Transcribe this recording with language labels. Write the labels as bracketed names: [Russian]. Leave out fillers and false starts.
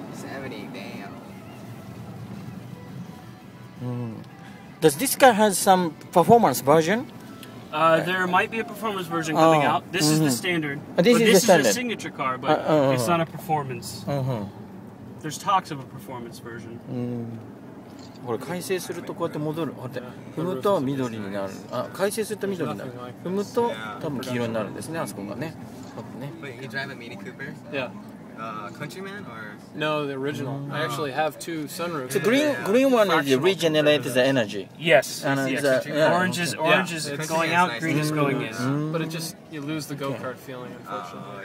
[English] 70, damn. Does this car have some performance version? There might be a performance version coming out. This is the standard. This is the standard. A signature car, but it's not a performance. There's talks of a performance version. [Japanese] これ改正するとこうやって戻る。待って、踏むと緑になる。あ、改正すると緑になる。踏むと多分黄色になるんですね、あそこがね。多分ね。 [English] Wait, you drive a Mini Cooper? Yeah. Countryman or? No, the original. I actually have two sunroofs. The green one is regenerates the energy. Yes. And orange is going out, green is going in. But it just you lose the go-kart feeling, unfortunately.